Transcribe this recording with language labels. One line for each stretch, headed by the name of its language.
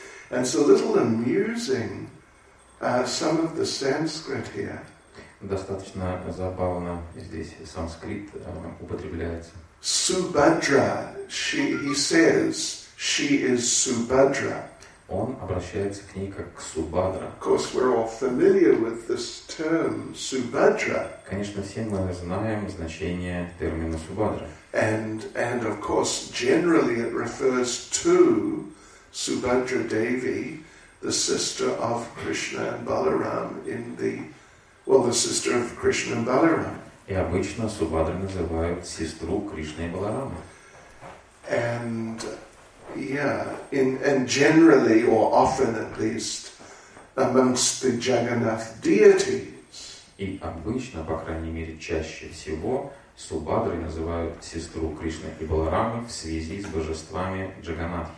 English: And so a little amusing, some of the Sanskrit here.
Russian: Достаточно забавно здесь санскрит употребляется.
English: Subhadra, he says, she is Subhadra.
Russian: Он обращается к ней как к Субхадра.
English: Of course, we're all familiar with this term, Subhadra.
Russian: Конечно, все мы знаем значение термина Субхадра.
English: And of course, generally it refers to Subhadra Devi, the sister of Krishna and Balaram the sister of Krishna and Balaram.
Russian: И обычно Субхадра называют сестру Кришны и Баларама.
English: And yeah, and generally or often at least amongst the Jagannath deities.
Russian: И обычно, по крайней мере, чаще всего Субхадрой называют сестру Кришны и Баларамы в связи с божествами Джаганнатхи.